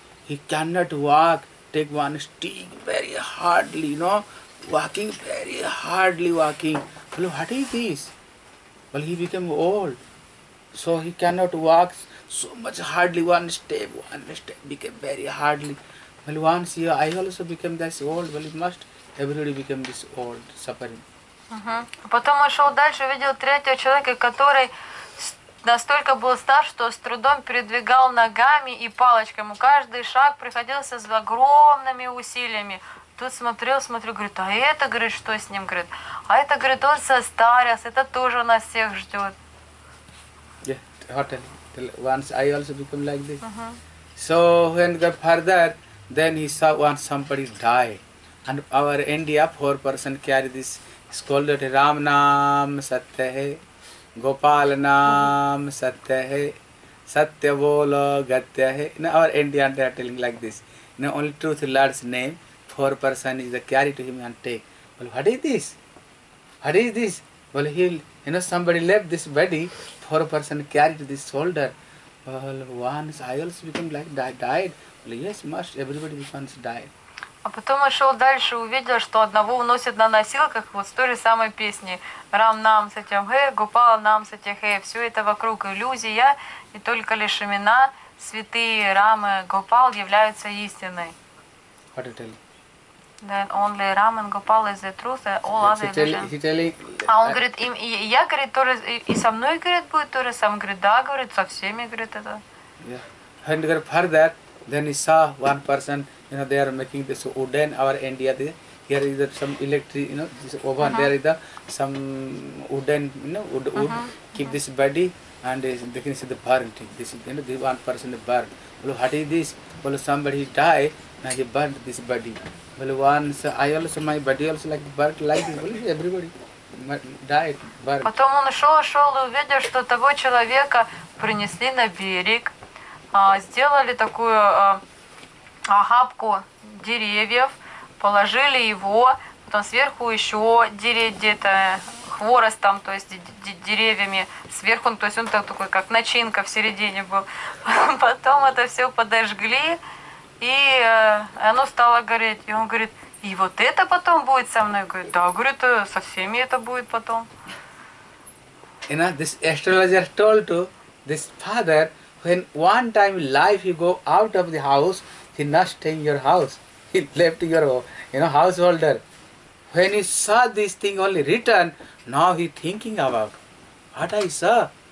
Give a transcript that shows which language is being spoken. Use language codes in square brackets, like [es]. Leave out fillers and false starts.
[en] He cannot walk, take one stick very hardly, you know, walking very hardly walking. Well, what is this? Well, he became old, so he cannot walk so much hardly one step became very hardly. Well, once I also became this old, well, it must, everybody became this old, suffering. Uh-huh. [ru] Потом он шел дальше, увидел третьего человека, который настолько был стар, что с трудом передвигал ногами и палочками. Ему каждый шаг приходился с огромными усилиями. Тут смотрел, говорит, а это, говорит, что с ним, говорит? А это, говорит, он состарился, это тоже нас всех ждет. [en] Yeah, hotel. Once I also become like this. Uh-huh. So, when got further, then he saw once somebody die. And our India, four person carry this, it's called [hi] Ram Naam Satya Hai, Gopal Naam Satya Hai, Satya Bolo Gatya Hai. [en] In our India, they are telling like this. In the only truth, Lord's name, four person is the carry to him and take. Well, what is this? What is this? Well, he'll, you know, somebody left this body, four person carry to this shoulder. Well, once I also become like died. Well, yes, must, everybody once died. [ru] А потом он шел дальше, увидел, что одного уносят на носилках, вот с той же самой песни. [hi] Рам нам сатям хэ, гупал нам сатям хэ. [ru] Все это вокруг иллюзия, и только лишь имена святые Рамы Гупал являются истиной. [en] What do you tell? That only Ram and Gopal is the truth, all other illusions. [ru] А он говорит, им, и я, говорит, тоже, и со мной, говорит, будет тоже сам. Говорит, да, говорит, со всеми, говорит, это. [en] Yeah. And for that, then he saw one person, you know, they are making this wooden, our India, here is some electric, you know, this oven, uh-huh. There is the, some wooden, you know, wood uh-huh. Keep uh-huh. This body, and they can see the burnt, this, you know, this one person burnt. Well, what is this? Well, somebody die, now he burnt this body. Well, once I also, my body also like burnt, like well, everybody died, burnt. [ru] Потом он шел и увидел, что того человека принесли на берег, сделали такую охапку деревьев, положили его, потом сверху еще деревья где-то, хворост там, то есть деревьями, сверху, то есть он там такой, как начинка в середине был. Потом это все подожгли, и оно стало гореть. И он говорит, и вот это потом будет со мной? Говорит, да, говорит, со всеми это будет потом. [en] You know, this astrologer told to this father, when one time in life you go out of the house, he not stay in your house. He left your, you know, householder. When he saw this thing only written, now he thinking about, what I saw?